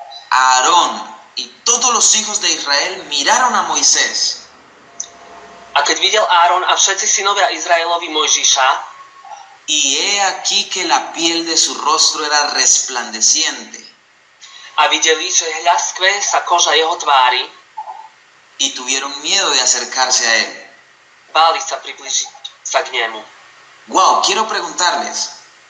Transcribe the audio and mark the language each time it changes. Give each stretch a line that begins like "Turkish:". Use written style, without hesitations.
Spanish: Aarón y todos los hijos de Israel miraron a Moisés.
Slovak: A keď videl Aarón a všetci synovia Izraelovi Mojžiša,
Spanish: y he aquí que la piel de su rostro era resplandeciente.
Slovak: A videli, že hľaskve sa koža jeho tvári.
Spanish: Y tuvieron miedo de acercarse a él.
Slovak: Báli sa približiť sa k nemu.
Spanish: Wow, quiero preguntarles.